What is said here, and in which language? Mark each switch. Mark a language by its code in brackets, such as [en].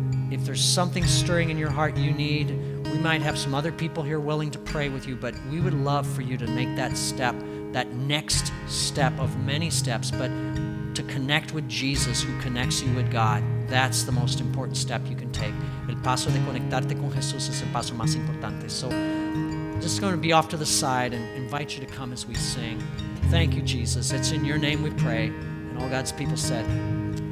[en] If there's something stirring in your heart you need, we might have some other people here willing to pray with you, but we would love for you to make that step, that next step of many steps, but to connect with Jesus, who connects you with God. That's the most important step you can take. [es] El paso de conectarte con Jesús es el paso más importante. [en] So I'm just going to be off to the side and invite you to come as we sing. Thank you, Jesus. It's in your name we pray. And all God's people said, amen.